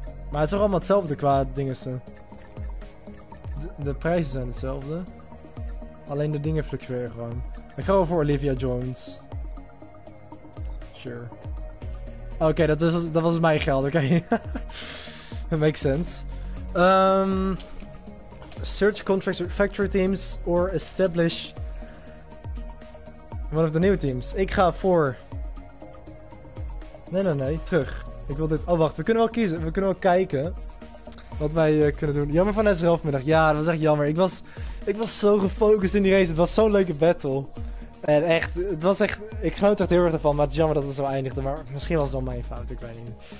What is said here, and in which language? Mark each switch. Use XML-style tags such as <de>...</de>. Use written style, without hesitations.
<nl>Maar het is toch allemaal hetzelfde qua dingen. De prijzen zijn hetzelfde. Alleen de dingen fluctueren gewoon. Ik ga wel voor Olivia Jones. Sure. Oké, okay, dat was mijn geld, oké.</nl> <en>Okay. That makes sense. Search contracts with factory teams or establish one of the new teams.</en> <nl>Ik ga voor. Nee, terug. Ik wil dit. Oh wacht, we kunnen wel kiezen. We kunnen wel kijken wat wij kunnen doen. Jammer van SRL vanmiddag. Ja, dat was echt jammer. Ik was zo gefocust in die race. Het was zo'n leuke battle. En echt, het was echt. Ik genoot echt heel erg ervan. Maar het is jammer dat het zo eindigde. Maar misschien was het wel mijn fout. Ik weet niet.</nl>